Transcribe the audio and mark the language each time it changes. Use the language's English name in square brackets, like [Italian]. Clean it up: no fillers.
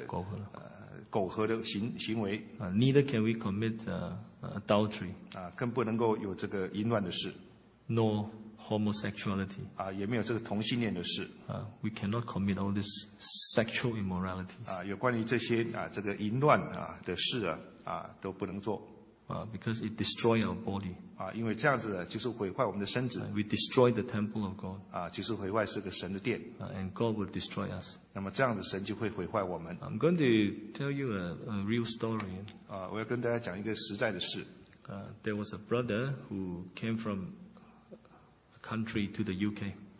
[Chinese] 我们也不能够婚前有这个苟合的行为。 [English] Neither can we commit adultery. [Chinese] 更不能够有这个淫乱的事。 [English] Nor homosexuality. [Chinese] 也没有这个同性恋的事。 [English] We cannot commit all these sexual immoralities. [Chinese] 有关于这些淫乱的事都不能做。 [English] Because it destroys our body. [Chinese] 因为这样子就是毁坏我们的身子。 [English] We destroy the temple of God. [Chinese] 就是毁坏是个神的殿。 [English] And God will destroy us. [Chinese] 那么这样子神就会毁坏我们。 [English] I'm going to tell you a real story. [Chinese] 我要跟大家讲一个实在的事。 [English] There was a brother who came from country to the UK.